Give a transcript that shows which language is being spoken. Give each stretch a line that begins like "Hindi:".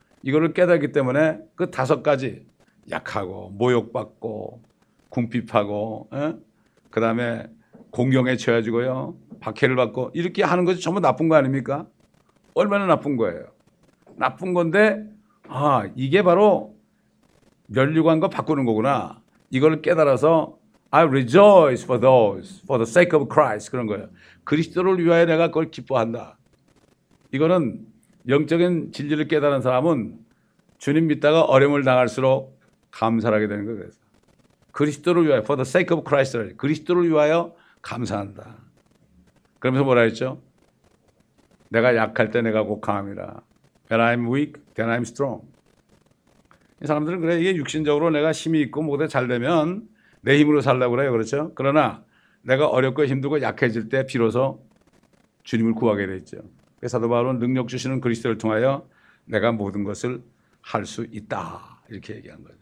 Korean: 이거를 깨닫기 때문에 그 다섯 가지, 약하고, 모욕받고, 궁핍하고, 그 다음에 공경에 처해지고요, 박해를 받고, 이렇게 하는 것이 전부 나쁜 거 아닙니까? 얼마나 나쁜 거예요. 나쁜 건데, 아, 이게 바로 면류관과 바꾸는 거구나. 이걸 깨달아서,
English: I rejoice for those, for the sake of Christ.
Korean: 그런 거예요. 그리스도를 위하여 내가 그걸 기뻐한다. 이거는 영적인 진리를 깨달은 사람은 주님 믿다가 어려움을 당할수록 감사하게 되는 거예요. 그리스도를 위하여,
English: for the sake of Christ.
Korean: 그리스도를 위하여 감사한다. 그러면서 뭐라 했죠? 내가 약할 때 내가 곡하함이라.
English: When I'm weak, then I'm strong.
Korean: 이 사람들은 그래, 이게 육신적으로 내가 힘이 있고 뭐가 잘 되면 내 힘으로 살라고 그래요. 그렇죠? 그러나 내가 어렵고 힘들고 약해질 때 비로소 주님을 구하게 됐죠. 그래서 사도 바울은 능력 주시는 그리스도를 통하여 내가 모든 것을 할수 있다. 이렇게 얘기한 거죠.